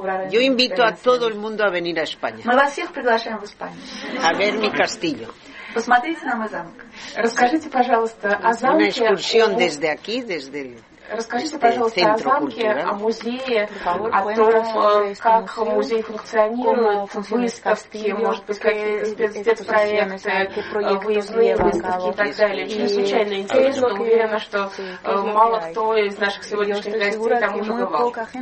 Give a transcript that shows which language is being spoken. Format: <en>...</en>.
<es>Yo invito a todo el mundo a venir a España.</es> <ru>Мы вас всех приглашаем в Испанию.</ru> <es>A ver mi castillo.</es> <ru>Посмотрите на мой замок. Расскажите, пожалуйста, о замке.</ru> <es>Una excursión desde aquí, desde...</es> <ru>Расскажите, пожалуйста, о замке, о музее, о том, как музей функционирует, выставки, может быть, какие-то спецпроекты, выездные выставки и так далее. Очень случайно интересно, уверена, что мало кто из наших сегодняшних гостей там уже бывал.</ru>